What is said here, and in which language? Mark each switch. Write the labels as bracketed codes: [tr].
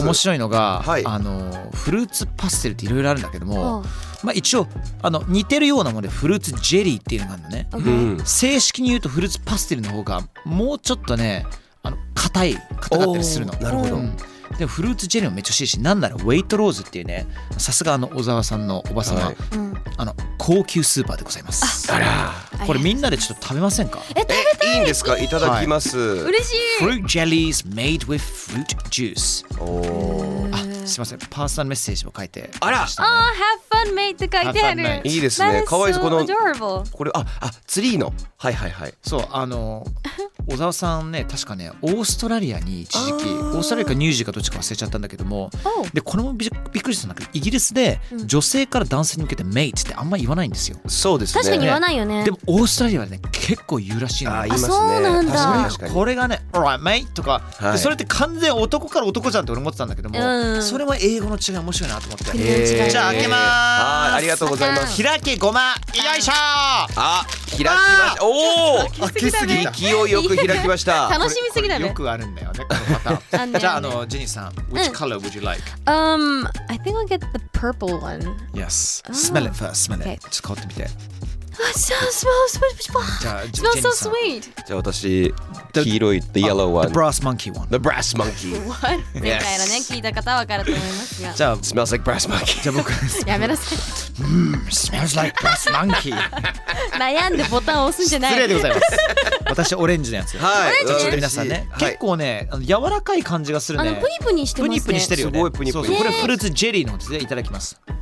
[ja] 面白いのが、はい、フルーツパステルっていろいろあるんだけども、まあ、一応似てるようなものでフルーツジェリーっていうのがあるのね、正式に言うとフルーツパステルの方がもうちょっとね硬かったりするの。なるほど。でもフルーツジェリーもめっちゃ美味しいし、なんならウェイトローズっていうね、さすが小沢さんのおばさま、はい、高級スーパーでございます。あら、これみんなでちょっと食べませんか。え、食べたい。いいんですか。いただきます。嬉、はい、しい。 [en] フルーツジェリーズ made with fruit juice。 [ja] おー、あ、すいません、パーソナルメッセージも書いて、あら、あ、ハッファンメイって書いてある。いいですね。かわいいです。この、 [en] adorable. [ja] これ、あ、ツリーの、はいはいはい、そう、小沢さんね、確かね、オーストラリアに一時期、オーストラリアかニュージーかどっちか忘れちゃったんだけども、で、これもびっくりしたんだけど、イギリスで女性から男性に向けてメイってあんま言わないんですよ。そうですね。確かに言わないよね。でもオーストラリアはね、結構言うらしいの。あ、言いますね。そうなんだ。確かに。これがね、オーライメイとか、はい、それって完全男から男じゃんって俺思ってたんだけども、それも英語の違い面白いなと思って。じゃあ開けまーす。ありがとうございます。開けごま。よいしょ。あ、開きました。おお、開けすぎた、勢いよく開きました。楽しみすぎだね。よくあるんだよね、このパターン。じゃあ、ジェニーさん、 [en] which color would you like? I think I'll get the purple one. Yes. Smell it first. Smell it. [ja] ちょっと香ってみて。 [en] It smells so sweet. Smells so sweet. [ja] じゃあ私、黄色い、 [en] the yellow one. The brass monkey one. The brass monkey. What? [ja] 前回のね、聞いた方は分かると思いますが。じゃあ、 [en] smells like brass monkey. [ja] じゃあ僕、やめなさい。 [en] smells like brass monkey. [ja] 悩んでボタンを押すんじゃない。失礼でございます。私オレンジのやつ。はい。ちょっと皆さんね、結構ね、柔らかい感じがするね。プニプニしてますね。プニプニしてるよね。すごいプニプニ。そうそう。これフルーツジェリーのやつでいただきます。